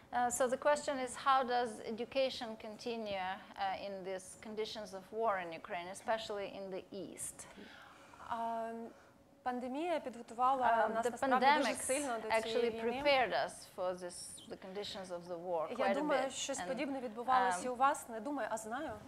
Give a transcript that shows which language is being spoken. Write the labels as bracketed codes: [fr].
[en] So the question is, how does education continue in these conditions of war in Ukraine, especially in the East? [uk] Пандемія підготувала нас насправді дуже сильно до цієї війни. [en] Actually prepared us for this, the conditions of the war quite a bit. [uk] Я думаю, щось подібне відбувалося у вас, не думаю, а знаю.